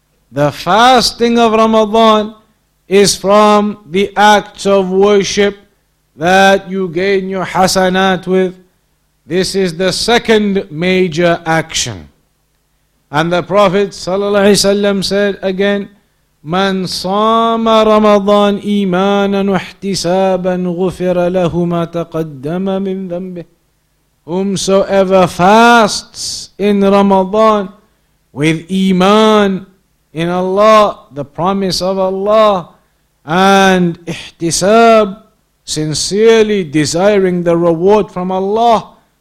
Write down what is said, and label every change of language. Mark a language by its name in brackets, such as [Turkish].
[English] The fasting of Ramadan is from the acts of worship that you gain your hasanat with. This is the second major action. And the Prophet ﷺ said again, [Arabic] من صام رمضان إيمانا واحتسابا غفر له ما تقدم من ذنبه. [English] Whomsoever fasts in Ramadan with Iman in Allah, the promise of Allah, and Ihtisab, sincerely desiring the reward from Allah,